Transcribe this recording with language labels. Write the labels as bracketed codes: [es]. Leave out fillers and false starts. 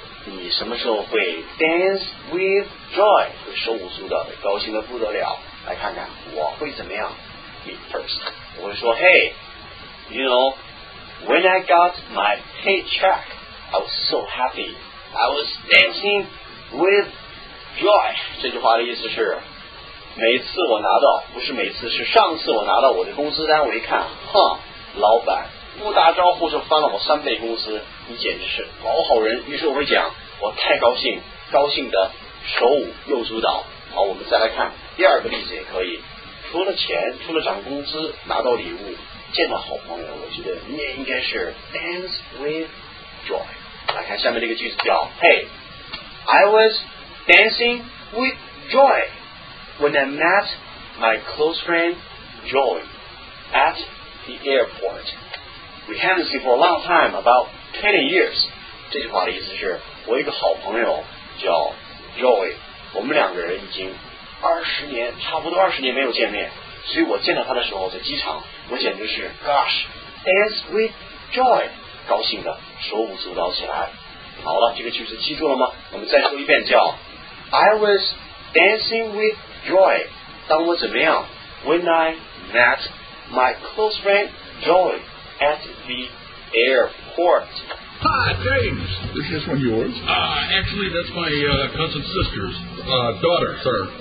[zh] 你什么时候会 [en] dance with joy? [zh] 会手舞足蹈的，高兴的不得了。来看看我会怎么样 [en] ？Me first， [zh] 我会说 [en] ，Hey， you know， when I got my paycheck， I was so happy， I was dancing with joy。 [zh] 这句话的意思是，每次我拿到，不是每次，是上次我拿到我的工资单，我一看，哼，老板不打招呼就翻了我三倍工资，你简直是老好人。于是我会讲，我太高兴，高兴的手舞右足蹈。好，我们再来看第二个例子也可以。除了钱，除了涨工资，拿到礼物，见到好朋友，我觉得你也应该是 [en] dance with joy。 [zh] 来看下面这个句子叫 [en] Hey, I was dancing with joy when I met my close friend Joy at the airport. We haven't seen for a long time, about 10 years. [zh] 这句话的意思是，我一个好朋友叫 Joy， 我们两个人已经二十年，差不多二十年没有见面。所以我见到他的时候，在机场，我简直是 [en] Gosh, as with Joy， [zh] 高兴的手舞足蹈起来。好了，这个句子记住了吗？我们再说一遍，叫 [en] I was dancing with Joy。 [zh] 当我怎么样 [en] ？When I met my close friend Joy at the airport。 Hi, James. Is this one yours? Actually, that's my cousin's sister's daughter, sir.